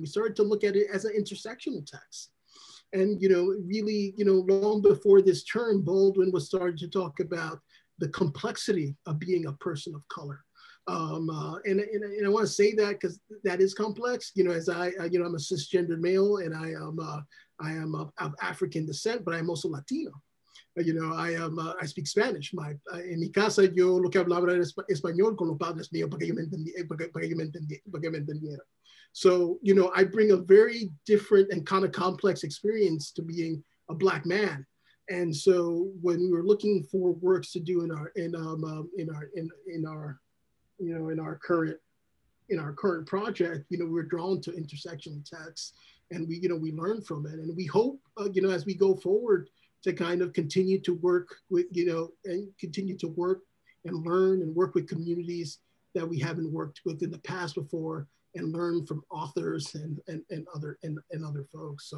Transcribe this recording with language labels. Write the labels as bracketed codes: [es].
[en] We started to look at it as an intersectional text. And, long before this term, Baldwin was starting to talk about the complexity of being a person of color. And I want to say that because that is complex. You know, as I I'm a cisgendered male, and I am of African descent, but I'm also Latino. You know, I speak Spanish. [es] En mi casa yo lo que hablaba era español con los padres míos para que me entendieran. [en] So, you know, I bring a very different and kind of complex experience to being a Black man. And so when we were looking for works to do in our current project, you know, we're drawn to intersectional texts, and we learn from it, and we hope as we go forward to kind of continue to work with work with communities that we haven't worked with in the past before, and learn from authors and other folks.